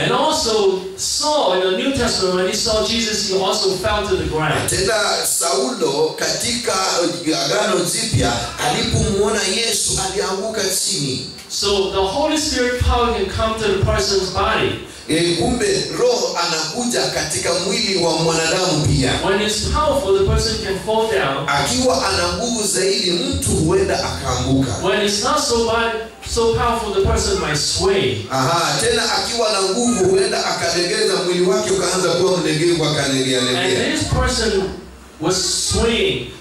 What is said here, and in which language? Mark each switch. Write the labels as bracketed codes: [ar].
[en] And also Saul in the New Testament when he saw Jesus he also fell to the ground. [sw] Tena Saulo katika Agano Jipya alipomuona Yesu alianguka chini. [en] So the Holy Spirit power can come to the person's body. [sw] Kumbe Roho anakuja katika mwili wa mwanadamu pia. [en] When he's powerful, the person can fall down. [sw] Akiwa ana nguvu zaidi, mtu huenda akaanguka. [en] When he's not so powerful, the person might sway. [sw] Aha, tena akiwa na nguvu huenda akalegeza mwili wake ukaanza kuwa mlegevu akalegea. [en] And this person was swaying.